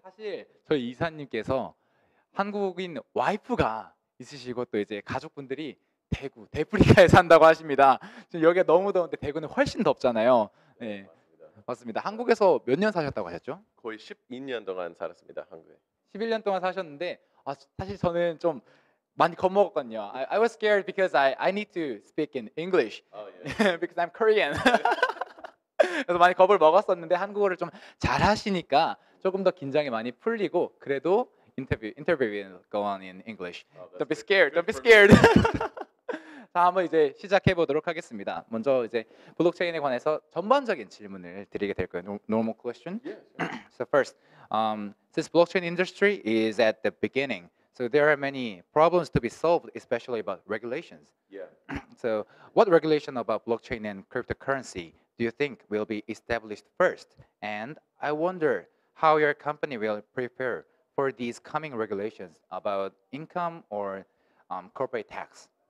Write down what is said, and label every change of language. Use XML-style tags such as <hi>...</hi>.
<ko>사실 저희 이사님께서 한국인 와이프가 있으시고 또 이제 가족분들이 대구, 대프리카에 산다고 하십니다. 지금 여기가 너무 더운데 대구는 훨씬 덥잖아요. 네. 맞습니다. 한국에서 몇 년 사셨다고 하셨죠? 거의 12년 동안 살았습니다. 한국에. 11년 동안 사셨는데 사실 저는 좀 많이 겁먹었거든요.</ko> <en>I was scared because I need to speak in English. Yeah. Because I'm Korean.</en> <ko>그래서 많이 겁을 먹었었는데 한국어를 좀 잘 하시니까 조금 더 긴장이 많이 풀리고 그래도</ko> <en>interview go on in English. Oh, don't be scared. Don't be scared.</en> <ko>자, 한번 이제 시작해 보도록 하겠습니다. 먼저 이제 블록체인에 관해서 전반적인 질문을 드리게 될 거예요.</ko> <en>Normal question. Yeah, sure. So first, since blockchain industry is at the beginning, so there are many problems to be solved, especially about regulations. Yeah. So what regulation about blockchain and cryptocurrency do you think will be established first? And I wonder how your company will prepare for these coming regulations about income or corporate tax.</en>